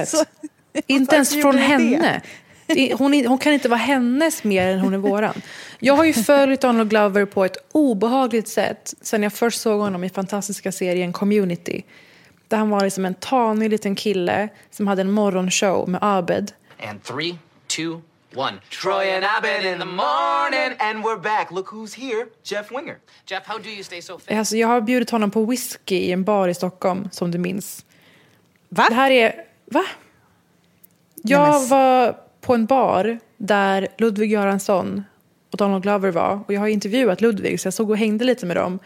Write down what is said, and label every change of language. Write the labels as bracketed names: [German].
[Swedish] Alltså, inte ens från henne. Hon kan inte vara hennes mer än hon är våran. Jag har ju följt Donald Glover på ett obehagligt sätt sen jag först såg honom i fantastiska serien Community. Där han var liksom en tanig liten kille som hade en morgonshow med Abed. [English] And 3, 2, 1. Troy and Abed in the morning and we're back. Look who's here, Jeff Winger. Jeff, how do you stay so fit? [Swedish] Alltså, jag har bjudit honom på whisky i en bar i Stockholm, som du minns. Va? Det här är... Va? Jag var på en bar där Ludvig Göransson och Donald Glover var. Och jag har intervjuat Ludvig, så jag såg och hängde lite med dem.